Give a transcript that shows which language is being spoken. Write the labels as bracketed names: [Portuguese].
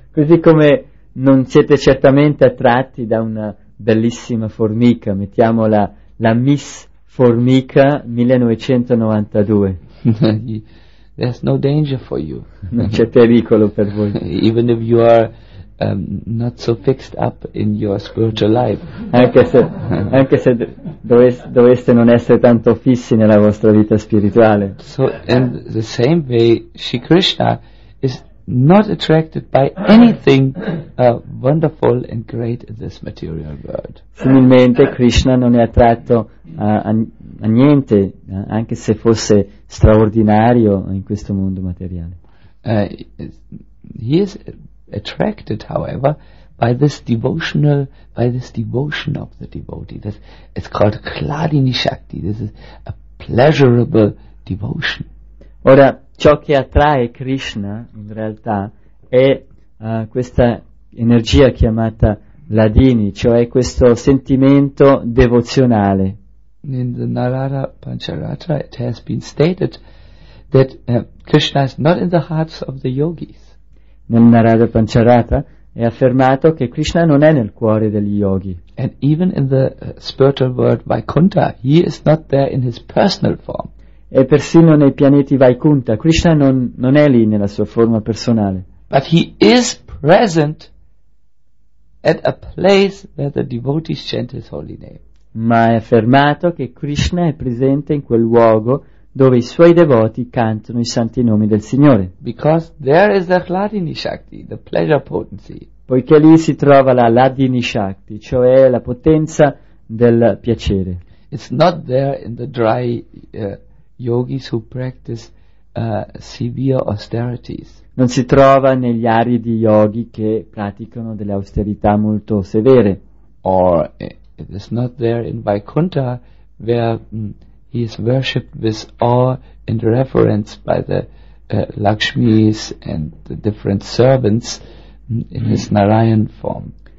[Italian] Così come non siete certamente attratti da una bellissima formica, mettiamola la Miss Formica 1992. [English] There's no danger for you. [Italian] Non c'è pericolo per voi. [English] Even if you are not so fixed up in your spiritual life. [Italian] anche se doveste non essere tanto fissi nella vostra vita spirituale. [English] So in the same way, Sri Krishna is not attracted by anything wonderful and great in this material world. [Italian] Similmente, Krishna non è attratto a niente, anche se fosse straordinario in questo mondo materiale. [English] He is attracted, however, by this devotion of the devotee. This it's called Kladini Shakti. This is a pleasurable devotion. [Italian] Ora, ciò che attrae Krishna in realtà è questa energia chiamata Ladini, cioè questo sentimento devozionale. [English] In the Narada Pancharatra it has been stated that Krishna is not in the hearts of the yogis. [Italian] Nel Narada Pancharatra è affermato che Krishna non è nel cuore degli yogi. [English] And even in the spiritual world Vaikuntha he is not there in his personal form. [Italian] E persino nei pianeti Vaikuntha Krishna non è lì nella sua forma personale. [English] But he is present at a place where the devotees chant his holy name. [Italian] Ma è affermato che Krishna è presente in quel luogo dove i suoi devoti cantano i santi nomi del Signore. [English] Because there is the Ladini Shakti, the pleasure potency. [Italian] Poiché lì si trova la Ladini Shakti, cioè la potenza del piacere. [English] It's not there in the dry yogis who practice severe austerities. [Italian] Non si trova negli aridi yogi che praticano delle austerità molto severe. [English] or it is not there in Vaikuntha, where he is worshipped with awe and reverence by the Lakshmis and the different servants in his Narayan form.